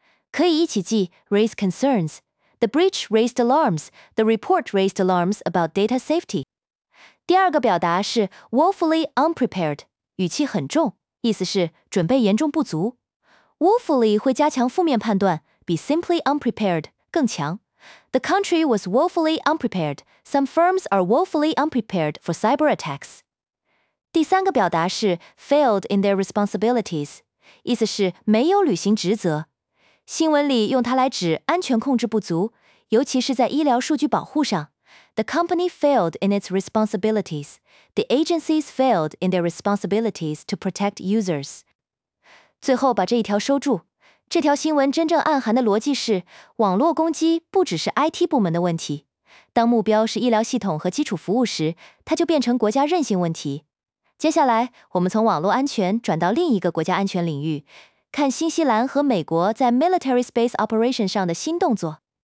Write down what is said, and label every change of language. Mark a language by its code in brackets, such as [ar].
[zh] 可以一起记 [en] raise concerns， the breach raised alarms， the report raised alarms about data safety。 [zh] 第二个表达是 [en] woefully unprepared， [zh] 语气很重，意思是准备严重不足。 woefully 会加强负面判断，比 [en] simply unprepared [zh] 更强。 [en] The country was woefully unprepared. Some firms are woefully unprepared for cyber attacks. [zh] 第三个表达是 [en] failed in their responsibilities， [zh] 意思是没有履行职责。新闻里用它来指安全控制不足，尤其是在医疗数据保护上。 [en] The company failed in its responsibilities. The agencies failed in their responsibilities to protect users. [zh] 最后把这一条收住。这条新闻真正暗含的逻辑是，网络攻击不只是 IT 部门的问题，当目标是医疗系统和基础服务时，它就变成国家韧性问题。接下来我们从网络安全转到另一个国家安全领域，看新西兰和美国在 [en] military space operation [zh] 上的新动作。